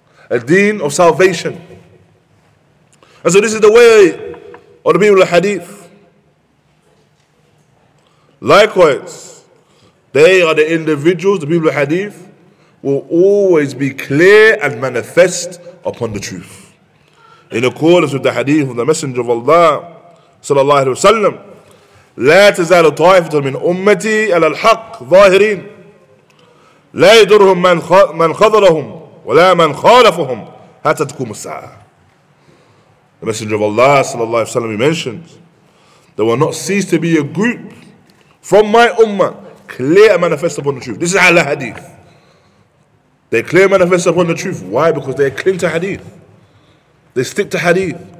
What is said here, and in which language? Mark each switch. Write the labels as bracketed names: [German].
[English] A deen of salvation. And so this is the way of the people of Hadith. Likewise, they are the individuals, the people of Hadith, will always be clear and manifest upon the truth. In accordance with the Hadith of the Messenger of Allah, sallallahu alaihi wasallam, [Arabic] لا تزال طائفة من أمتي على الحق ظاهرين لا يدرهم من خذلهم ولا من خالفهم حتى تقوم الساعة. [English] The Messenger of Allah, sallallahu alaihi wasallam, mentioned, there will not cease to be a group from my ummah clear and manifest upon the truth. This is ala hadith. They clear and manifest upon the truth. Why? Because they cling to hadith. They stick to hadith.